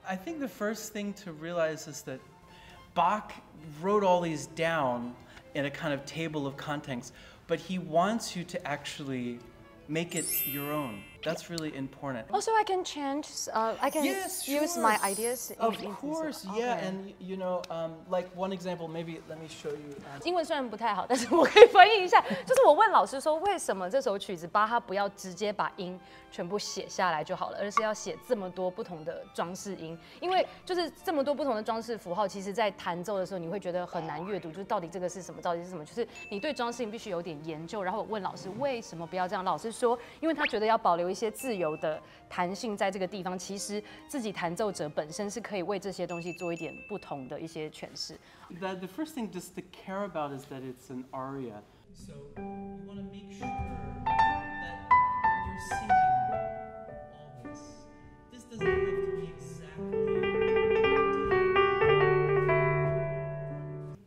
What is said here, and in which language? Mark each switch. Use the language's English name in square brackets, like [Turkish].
[English] I think the first thing to realize is that Bach wrote all these down in a kind of table of contents, but he wants you to actually make it your own. That's really important. Also, I can change. I can use my ideas. Of course, yeah. And you know, like one example, maybe let me show you. [Chinese] 英文虽然不太好，但是我可以翻译一下。就是我问老师说，为什么这首曲子巴哈不要直接把音全部写下来就好了，而是要写这么多不同的装饰音？因为就是这么多不同的装饰符号，其实在弹奏的时候你会觉得很难阅读，就是到底这个是什么，到底是什么？就是你对装饰音必须有点研究。然后我问老师为什么不要这样，老师说，因为他觉得要保留有一些自由的弹性在这个地方，其实自己弹奏者本身是可以为这些东西做一点不同的一些诠释。 [English] The first thing just to care about is that it's an aria. So you want to make sure that you're singing all this. This doesn't have to be exactly.